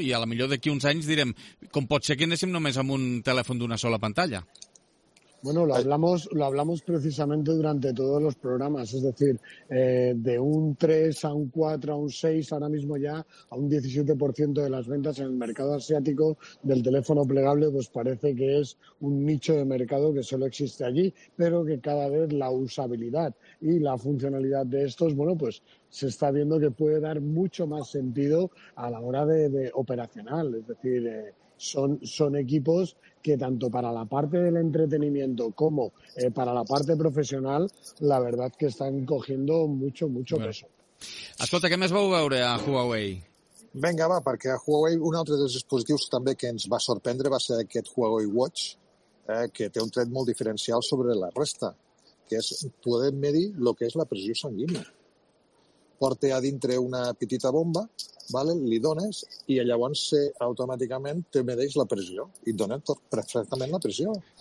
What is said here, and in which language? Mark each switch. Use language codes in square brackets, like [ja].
[ca] I a la millor d'aquí uns anys direm, com pot ser que anéssim només amb un telèfon d'una sola pantalla? [es] Bueno, lo hablamos precisamente durante todos los programas, es decir, de un 3 a un 4 a un 6, ahora mismo ya a un 17% de las ventas en el mercado asiático del teléfono plegable, pues parece que es un nicho de mercado que solo existe allí, pero que cada vez la usabilidad y la funcionalidad de estos, bueno, pues se está viendo que puede dar mucho más sentido a la hora de operacional, es decir, son equipos que tanto para la parte del entretenimiento como para la parte profesional, la verdad que están cogiendo mucho, mucho peso. [ca] Escolta, què més vau veure a Huawei? Vinga, va, perquè a Huawei un altre dels dispositius també que ens va sorprendre va ser aquest Huawei Watch, que té un tret molt diferencial sobre la resta, que és poder medir el que és la pressió sanguínia. Porta a dintre una petita bomba, vale? Li dones i llavors automàticament te medeix la pressió i et dona perfectament la pressió.